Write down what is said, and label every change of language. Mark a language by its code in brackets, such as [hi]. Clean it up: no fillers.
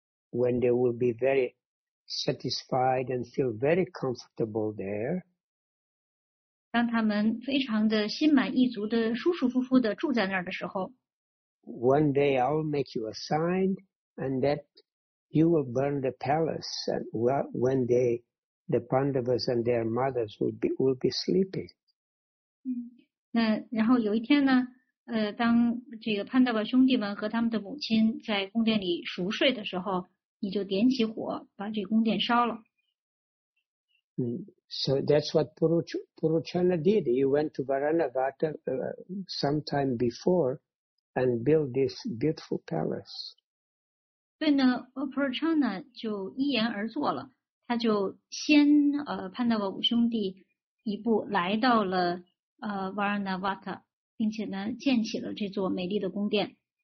[en] ，when they will be very satisfied and feel very comfortable there. [zh] 当他们非常的心满意足的舒舒服服的住在那儿的时候 [en] ，One day I'll make you a sign, and that you will burn the palace. And when they, the Pandavas and their mothers will be sleeping. [zh] 嗯，那然后有一天呢，当这个潘达瓦兄弟们和他们的母亲在宫殿里熟睡的时候。你就点起火把这宫殿烧了。 [en] So that's what Puruchana did. He went to Varanavata sometime before and built this beautiful palace. [zh] 对呢 ,Puruchana 就一言而作了。他就先潘达瓦五兄弟一步来到了Varanavata, 并且呢建起了这座美丽的宫殿。